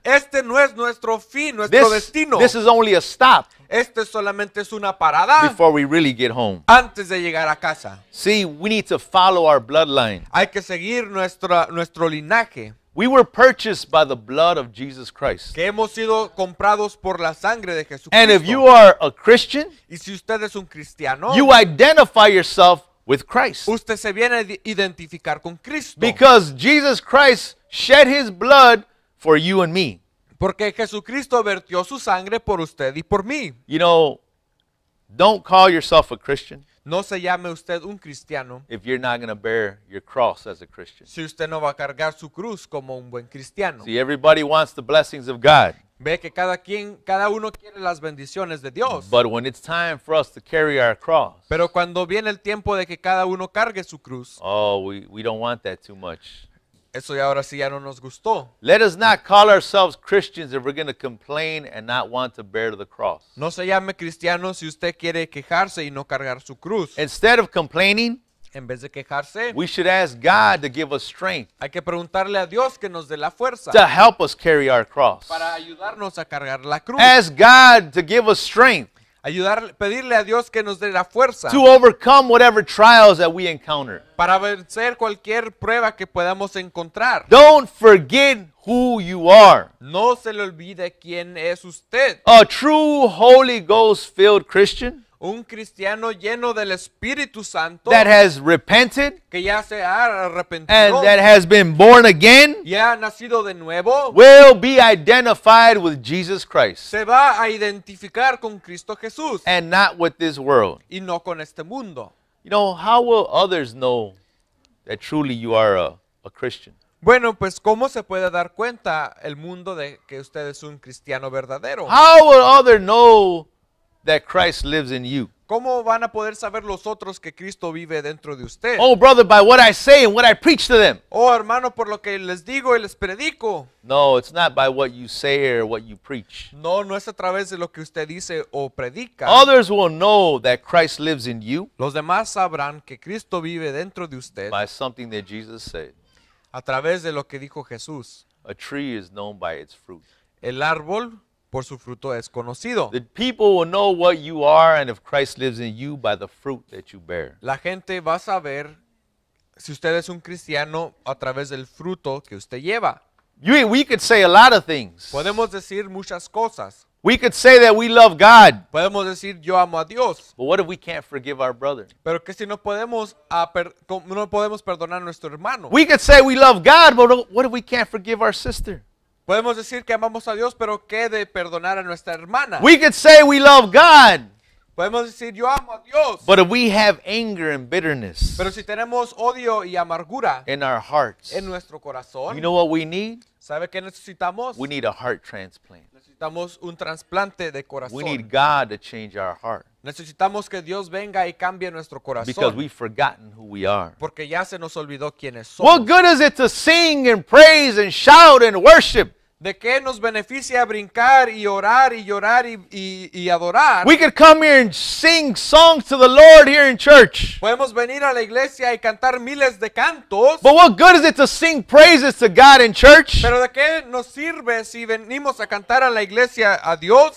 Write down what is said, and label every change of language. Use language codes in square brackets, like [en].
[es] Este no es nuestro fin, nuestro this, destino. [en] This is only a stop. [es] Este solamente es una parada [en] before we really get home. [es] Antes de llegar a casa. [en] See, we need to follow our bloodline. [es] Hay que seguir nuestro linaje. [en] We were purchased by the blood of Jesus Christ. [es] Que hemos sido comprados por la sangre de Jesucristo. [en] And if you are a Christian, [es] y si usted es un cristiano, [en] you identify yourself with Christ. [es] Usted se viene a identificar con Cristo. [en] Because Jesus Christ shed his blood for you and me. [es] Porque Jesucristo vertió su sangre por usted y por mí. [en] You know, don't call yourself a Christian. [es] No se llame usted un cristiano. [en] If you're not going to bear your cross as a Christian. [es] Si usted no va a cargar su cruz como un buen cristiano. [en] See, everybody wants the blessings of God. [es] Ve que cada uno quiere las bendiciones de Dios. [en] But when it's time for us to carry our cross. [es] Pero cuando viene el tiempo de que cada uno cargue su cruz. [en] Oh, we don't want that too much. [es] Eso ya ahora sí ya no nos gustó. [en] Let us not call ourselves Christians if we're going to complain and not want to bear the cross. [es] No se llame cristiano si usted quiere quejarse y no cargar su cruz. [en] Instead of complaining, [es] en vez de quejarse, [en] we should ask God to give us strength. [es] Hay que preguntarle a Dios que nos dé la fuerza. [en] To help us carry our cross. [es] Para ayudarnos a cargar la cruz. [en] Ask God to give us strength. [es] Pedirle a Dios que nos dé la fuerza. [en] To overcome whatever trials that we encounter. [es] Para vencer cualquier prueba que podamos encontrar. [en] Don't forget who you are. [es] No se le olvide quién es usted. [en] A true Holy Ghost filled Christian. [es] Un cristiano lleno del Espíritu Santo [en] that has repented, [es] que ya se ha arrepentido, [en] and that has been born again, [es] ya ha nacido de nuevo, [en] will be identified with Jesus Christ. [es] Se va a identificar con Cristo Jesús, [en] and not with this world. [es] Y no con este mundo. [en] You know, how will others know that truly you are a Christian? [es] Bueno, pues ¿cómo se puede dar cuenta el mundo de que usted es un cristiano verdadero? [en] How will others know that Christ lives in you? [es] ¿Cómo van a poder saber los otros que Cristo vive dentro de usted? [en] Oh, brother, by what I say and what I preach to them. [es] Oh, hermano, por lo que les digo y les predico. [en] No, it's not by what you say or what you preach. [es] No, no es a través de lo que usted dice o predica. [en] Others will know that Christ lives in you. [es] Los demás sabrán que Cristo vive dentro de usted. [en] By something that Jesus said. [es] A través de lo que dijo Jesús. [en] A tree is known by its fruit. [es] El árbol por su fruto es conocido. [en] The people will know what you are and if Christ lives in you by the fruit that you bear. [es] La gente va a saber si usted es un cristiano a través del fruto que usted lleva. [en] We could say a lot of things. [es] Podemos decir muchas cosas. [en] We could say that we love God. [es] Podemos decir yo amo a Dios. [en] But what if we can't forgive our brother? [es] Pero que si no podemos no podemos perdonar a nuestro hermano. [en] We could say we love God, but what if we can't forgive our sister? [es] Podemos decir que amamos a Dios, pero ¿qué de perdonar a nuestra hermana? [en] We could say we love God. [es] Podemos decir yo amo a Dios. [en] But if we have anger and bitterness, [es] pero si tenemos odio y amargura [en] in our hearts, [es] en nuestro corazón, [en] you know what we need? [es] ¿Sabe qué necesitamos? [en] We need a heart transplant. [es] Necesitamos un trasplante de corazón. [en] We need God to change our heart. [es] Necesitamos que Dios venga y cambie nuestro corazón. [en] Because we've forgotten who we are. [es] Porque ya se nos olvidó quiénes somos. [en] What good is it to sing and praise and shout and worship? [es] ¿De qué nos beneficia brincar y orar y llorar y adorar? [en] We could come here and sing songs to the Lord here in church. [es] Podemos venir a la iglesia y cantar miles de cantos. [en] But what good is it to sing praises to God in church? [es] ¿Pero de qué nos sirve si venimos a cantar a la iglesia a Dios?